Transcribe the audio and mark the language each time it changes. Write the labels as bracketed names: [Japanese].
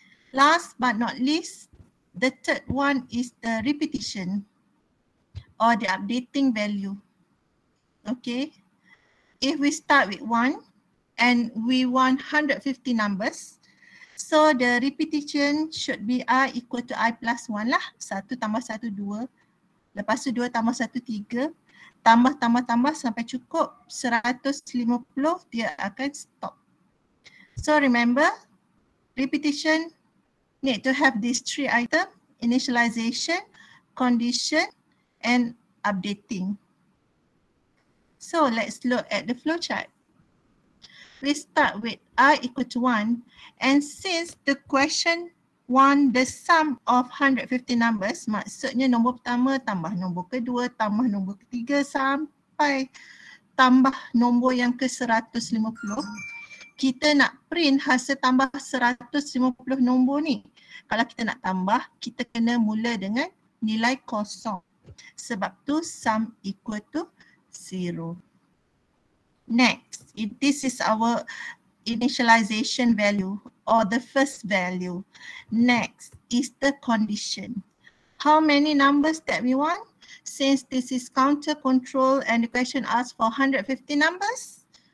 [English] Last but not least, the third one is the repetition or the updating value. Okay, if we start with one and we want 150 numbers, so the repetition should be I equal to I plus 1 lah. [Malay] 1 tambah 1, 2. Lepas tu 2 tambah 1, 3. Tambah sampai cukup 150, dia akan stop. [English] So remember, repetition need to have these three items: initialization, condition and updating. So let's look at the flowchart. We start with I equal to 1, and since the question want the sum of 150 numbers, [Malay] maksudnya nombor pertama tambah nombor kedua tambah nombor ketiga sampai tambah nombor yang ke 150, kita nak print hasil tambah 150 nombor ni. Kalau kita nak tambah, kita kena mula dengan nilai kosong. Sebab tu [English] sum equal to 0. Next, this is our initialization value or the first value. Next is the condition. how many numbers that we want, since this is counter control and the question asks for 150 numbers.